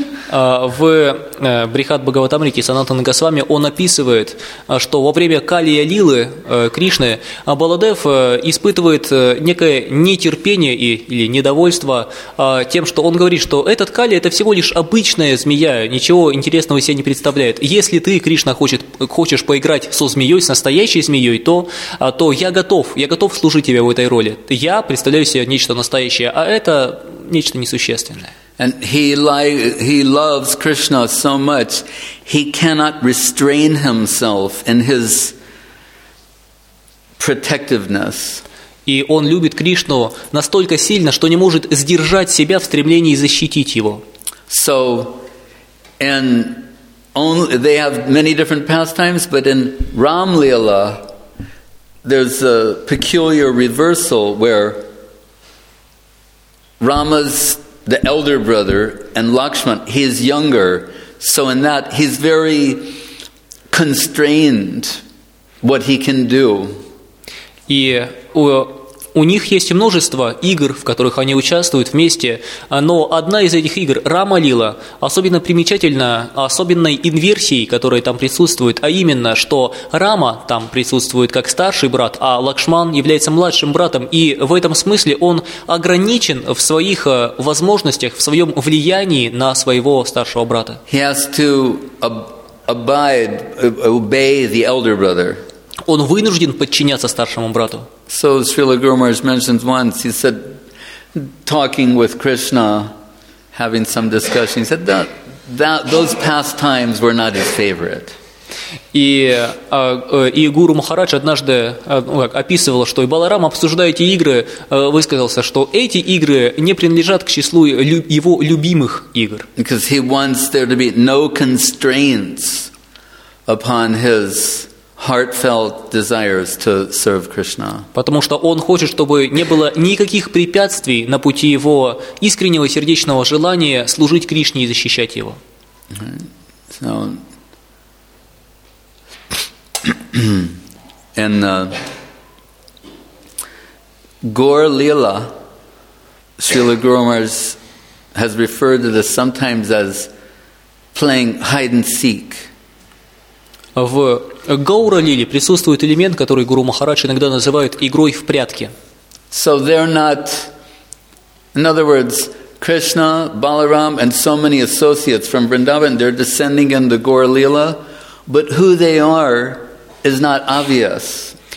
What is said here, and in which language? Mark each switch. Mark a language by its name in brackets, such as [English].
[Russian] В Брихад Бхагаватамрите Санатана Госвами он описывает, что во время Калия-лилы Кришны Баладев испытывает некое нетерпение или недовольство тем, что он говорит, что этот Калия – это всего лишь обычная змея, ничего интересного себе не представляет. Если ты, Кришна, хочешь поиграть со змеей, с настоящей змеей, то я готов служить тебе в этой роли. Я представляю себе нечто настоящее, а это нечто несущественное. [English] And he loves Krishna so much, he cannot restrain himself in his protectiveness. [Russian] И он любит Кришну настолько сильно, что не может сдержать себя в стремлении защитить его. [English] So, and only, they have many different pastimes, but in Ram Lila, there's a peculiar reversal where Rama's the elder brother, and Lakshman, he is younger. So in that, he's very constrained what he can do. [Russian] И у них есть множество игр, в которых они участвуют вместе, но одна из этих игр, Рама-лила, особенно примечательна особенной инверсией, которая там присутствует, а именно, что Рама там присутствует как старший брат, а Лакшман является младшим братом, и в этом смысле он ограничен в своих возможностях, в своем влиянии на своего старшего брата. [English] He has to obey the elder brother. [Russian] Он вынужден подчиняться старшему брату. [English] So Srila Guru Maharaj mentions once, he said, talking with Krishna, having some discussion, he said that those pastimes were not his favorite. [Russian] И Гуру Махарадж однажды описывал, что и Баларам, обсуждая эти игры, высказался, что эти игры не принадлежат к числу его любимых игр. [English] Because he wants there to be no constraints upon his heartfelt desires to serve Krishna. [Russian] Потому что он хочет, чтобы не было никаких препятствий на пути его искреннего сердечного желания служить Кришне и защищать его. [English] So, in the Gaur Lila, Srila Guru Maharaj has referred to this sometimes as playing hide and seek. [Russian] В Гаура Лиле присутствует элемент, который Гуру Махарадж иногда называет игрой в прятки. [English] So they're not, in other words, Krishna, Balaram, and so many associates from Vrindavan, they're descending in the Gaura Lila, but who they are is not obvious.